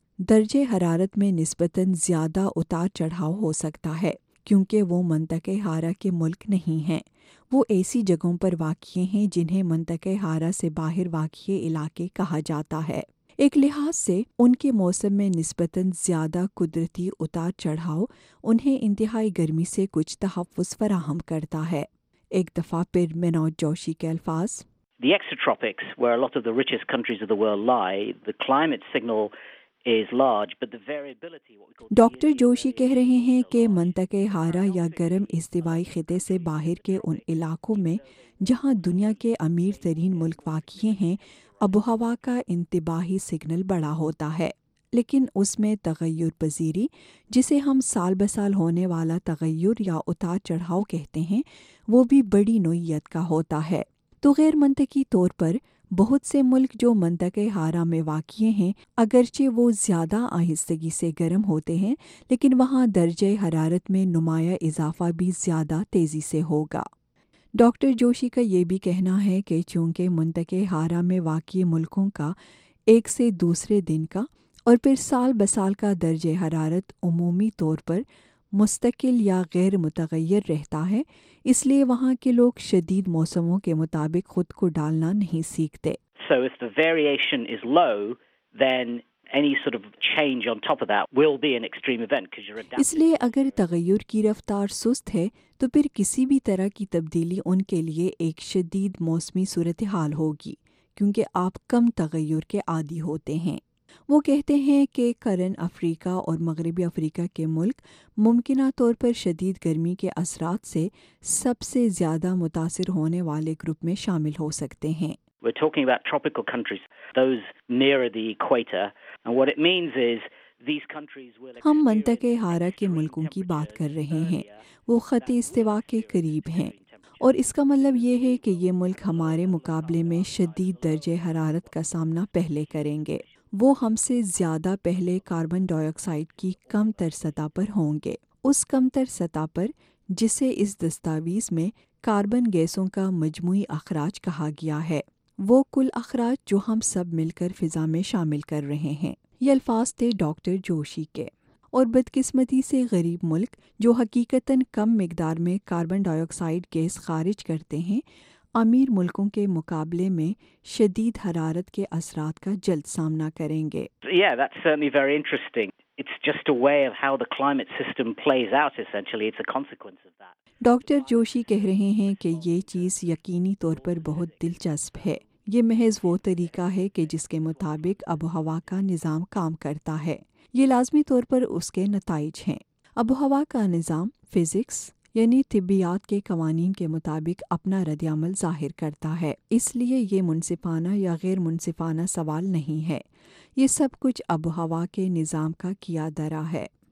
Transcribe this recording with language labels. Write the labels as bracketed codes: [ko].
[ur] درجہ حرارت میں نسبتاً زیادہ اتار چڑھاؤ ہو سکتا ہے، کیونکہ وہ منطقہ حارہ کے ملک نہیں ہیں۔ وہ ایسی جگہوں پر واقع ہیں جنہیں منطقہ حارہ سے باہر واقع علاقے کہا جاتا ہے۔ ایک لحاظ سے ان کے موسم میں نسبتاً زیادہ قدرتی اتار چڑھاؤ انہیں انتہائی گرمی سے کچھ تحفظ فراہم کرتا ہے۔ ایک دفعہ پھر منوج جوشی کے الفاظ۔ [en] The exotropics, where a lot of the richest countries of the world lie, the climate signal is large, but the variability, what we call... [ur] doctor Joshi کہہ رہے ہیں کہ منطقہ حارہ یا گرم استوائی خطے سے باہر کے ان علاقوں میں جہاں دنیا کے امیر ترین ملک واقع ہیں، آب و ہوا کا انتباہی سگنل بڑا ہوتا ہے، لیکن اس میں تغیر پذیری، جسے ہم سال بسال ہونے والا تغیر یا اتار چڑھاؤ کہتے ہیں، وہ بھی بڑی نوعیت کا ہوتا ہے۔ تو غیر منطقی طور پر بہت سے ملک جو منطقہ حارہ میں واقع ہیں، اگرچہ وہ زیادہ آہستگی سے گرم ہوتے ہیں، لیکن وہاں درجہ حرارت میں نمایاں اضافہ بھی زیادہ تیزی سے ہوگا۔ ڈاکٹر جوشی کا یہ بھی کہنا ہے کہ چونکہ منطقہ حارہ میں واقع ملکوں کا ایک سے دوسرے دن کا اور پھر سال بسال کا درجہ حرارت عمومی طور پر مستقل یا غیر متغیر رہتا ہے، اس لیے وہاں کے لوگ شدید موسموں کے مطابق خود کو ڈالنا نہیں سیکھتے۔ [en] So if the variation is low, then any sort of change on top of that will be an extreme event because you're adapting. [ur] اس لیے اگر تغیر کی رفتار سست ہے تو پھر کسی بھی طرح کی تبدیلی ان کے لیے ایک شدید موسمی صورتحال ہوگی، کیونکہ آپ کم تغیر کے عادی ہوتے ہیں۔ وہ کہتے ہیں کہ کرن افریقہ اور مغربی افریقہ کے ملک ممکنہ طور پر شدید گرمی کے اثرات سے سب سے زیادہ متاثر ہونے والے گروپ میں شامل ہو سکتے ہیں۔ [en] We're talking about tropical countries, those nearer the equator, and what it means is [ur] ہم منطقہ حارہ کے ملکوں کی بات کر رہے ہیں، وہ خط استوا کے قریب ہیں، اور اس کا مطلب یہ ہے کہ یہ ملک ہمارے مقابلے میں شدید درجہ حرارت کا سامنا پہلے کریں گے۔ وہ ہم سے زیادہ پہلے کاربن ڈائی آکسائڈ کی کم تر سطح پر ہوں گے، اس کم تر سطح پر جسے اس دستاویز میں کاربن گیسوں کا مجموعی اخراج کہا گیا ہے، وہ کل اخراج جو ہم سب مل کر فضا میں شامل کر رہے ہیں۔ یہ الفاظ تھے ڈاکٹر جوشی کے۔ اور بدقسمتی سے غریب ملک جو حقیقتاً کم مقدار میں کاربن ڈائی آکسائڈ گیس خارج کرتے ہیں، امیر ملکوں کے مقابلے میں شدید حرارت کے اثرات کا جلد سامنا کریں گے۔ [en] Yeah, that's certainly very interesting. It's just a way of how the climate system plays out essentially. It's a consequence of that. [ur] Doctor Joshi کہہ رہے ہیں کہ یہ چیز یقینی طور پر بہت دلچسپ ہے۔ یہ محض وہ طریقہ ہے کہ جس کے مطابق آب و ہوا کا نظام کام کرتا ہے۔ یہ لازمی طور پر اس کے نتائج ہیں۔ آب و ہوا کا نظام فزکس یعنی طبیعت کے قوانین کے مطابق اپنا رد عمل ظاہر کرتا ہے، اس لیے یہ منصفانہ یا غیر منصفانہ سوال نہیں ہے۔ یہ سب کچھ آب و ہوا کے نظام کا کیا درا ہے۔